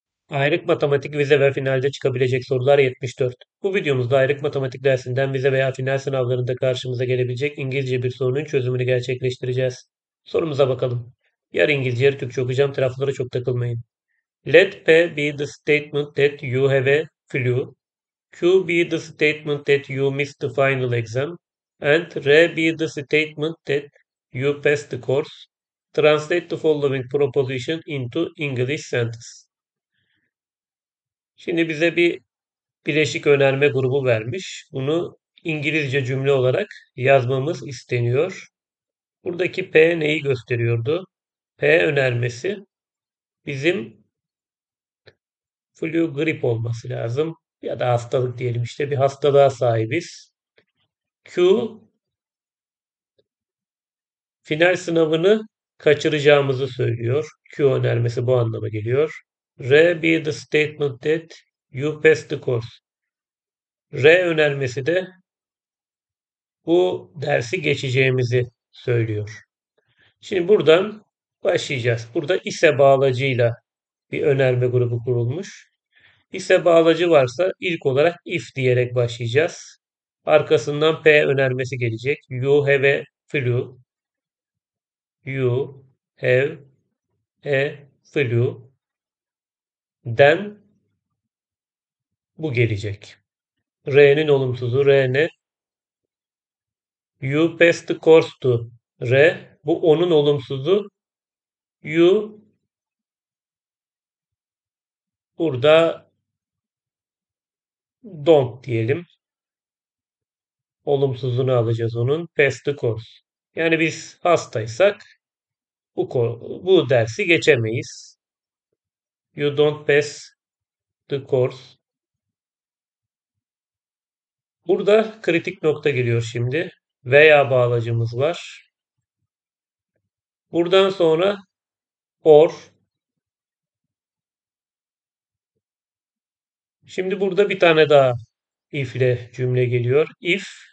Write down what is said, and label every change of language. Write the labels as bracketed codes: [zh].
[tr] Ayrık matematik vize ve finalde çıkabilecek sorular 74. Bu videomuzda ayrık matematik dersinden vize veya final sınavlarında karşımıza gelebilecek İngilizce bir sorunun çözümünü gerçekleştireceğiz. Sorumuza bakalım. Yarın İngilizce, yarın Türkçe okuyacağım. Taraflara çok takılmayın. [en] Let P be the statement that you have a clue. Q be the statement that you missed the final exam. And R be the statement that you passed the course. Translate the following proposition into English sentence. [tr] Şimdi bize bir bileşik önerme grubu vermiş. Bunu İngilizce cümle olarak yazmamız isteniyor. Buradaki P neyi gösteriyordu? P önermesi bizim flu grip olması lazım. Ya da hastalık diyelim işte bir hastalığa sahibiz. Q final sınavını kaçıracağımızı söylüyor. Q önermesi bu anlama geliyor. [en] R be the statement that you passed the course. [tr] R önermesi de bu dersi geçeceğimizi söylüyor. Şimdi buradan başlayacağız. Burada ise bağlacıyla bir önerme grubu kurulmuş. İse bağlacı varsa ilk olarak if diyerek başlayacağız. Arkasından P önermesi gelecek. [en] You have a flu. You have a flu. Then [tr] bu gelecek. R'nin olumsuzu R ne? [en] You passed the course to R. [tr] Bu onun olumsuzu. You burada don't diyelim. Olumsuzunu alacağız onun. [en] Passed the course. [tr] Yani biz hastaysak bu dersi geçemeyiz. [en] You don't pass the course. [tr] Burada kritik nokta geliyor şimdi. Veya bağlacımız var. Buradan sonra or. Şimdi burada bir tane daha if'le cümle geliyor. If.